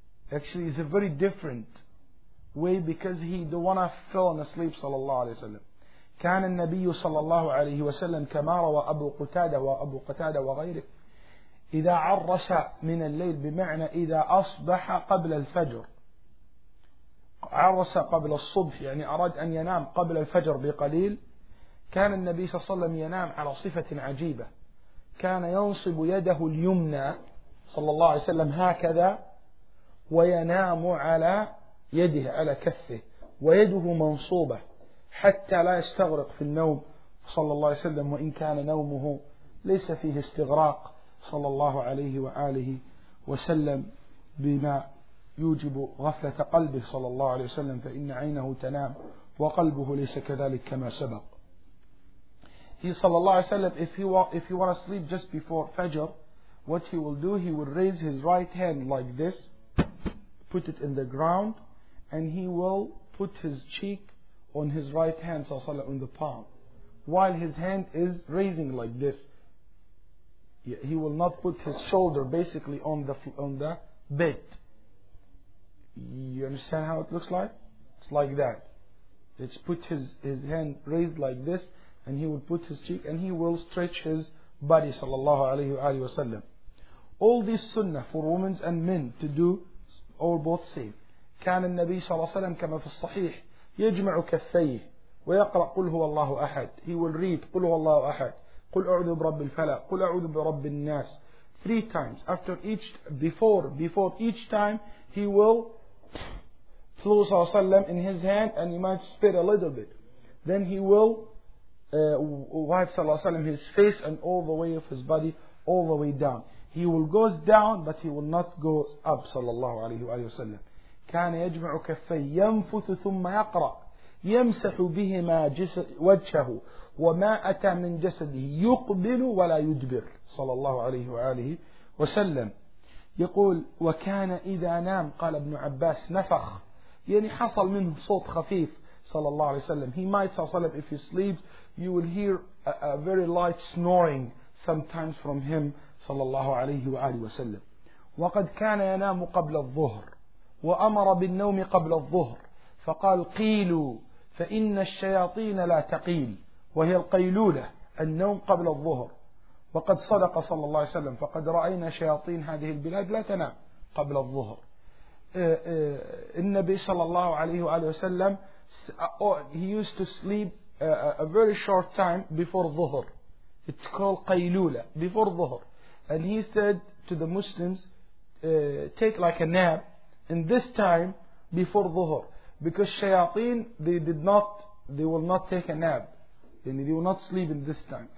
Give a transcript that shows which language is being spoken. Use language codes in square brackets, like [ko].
[en] Actually, it's a very different way because he don't want to fall asleep, sallallahu alayhi wa sallam. [ar] كان النبي صلى الله عليه وسلم كما روى أبو قتادة وأبو قتادة وغيره إذا عرس من الليل, بمعنى إذا أصبح قبل الفجر, عرس قبل الصبح, يعني أراد أن ينام قبل الفجر بقليل, كان النبي صلى الله عليه وسلم ينام على صفة عجيبة, كان ينصب يده اليمنى صلى الله عليه وسلم هكذا وينام على يده على كفه ويده منصوبة حتى لا يستغرق في النوم صلى الله عليه وسلم, وإن كان نومه ليس فيه استغراق صلى الله عليه وآله وسلم بما يوجب غفلة قلبه صلى الله عليه وسلم, فإن عينه تنام وقلبه ليس كذلك كما سبق. [en] He [ar] صلى الله عليه وسلم, [en] if he want to sleep just before Fajr, what he will do, he will raise his right hand like this, put it in the ground, and he will put his cheek on his right hand صلى الله عليه وسلم, on the palm, while his hand is raising like this. He will not put his shoulder basically on the bed. You understand how it looks like? It's like that. It's put his hand raised like this and he will put his cheek and he will stretch his body sallallahu alayhi wa alayhi wa sallam. All this sunnah for women and men to do or both same. [ar] كان النبي صلى الله عليه وسلم كما في الصحيح يجمع كفيه ويقرأ قل هو الله أحد. [en] He will read [ar] قل هو الله أحد, قل أعوذ برب الفلق, قل أعوذ برب الناس, [en] three times. After each, before each time, he will close our salam in his hand and he might spit a little bit. then he will wipe sallallahu alayhi wa sallam his face and all the way of his body all the way down. He will go down, but he will not go up sallallahu alayhi wa sallam. [ar] كان يجمع كفي ينفث ثم يقرأ يمسح بهما وجهه وما أتى من جسده يقبل ولا يدبر صلى الله عليه وآله وسلم. يقول وكان إذا نام قال ابن عباس نفخ, يعني حصل منه صوت خفيف صلى الله عليه وسلم. [en] He might [ar] صلى الله عليه وسلم [en] if he sleeps you will hear a very light snoring sometimes from him [ar] صلى الله عليه وآله وسلم. وقد كان ينام قبل الظهر وأمر بالنوم قبل الظهر فقال قيلوا فإن الشياطين لا تقيل, وهي القيلولة النوم قبل الظهر. وقد صدق صلى الله عليه وسلم فقد رأينا شياطين هذه البلاد لا تنام قبل الظهر. النبي صلى الله عليه وآله وسلم [en] he used to sleep a very short time before الظهر, it's called قيلولة before الظهر, and he said to the Muslims take like a nap in this time before Dhuhr, because shayateen they will not take a nap, and they will not sleep in this time.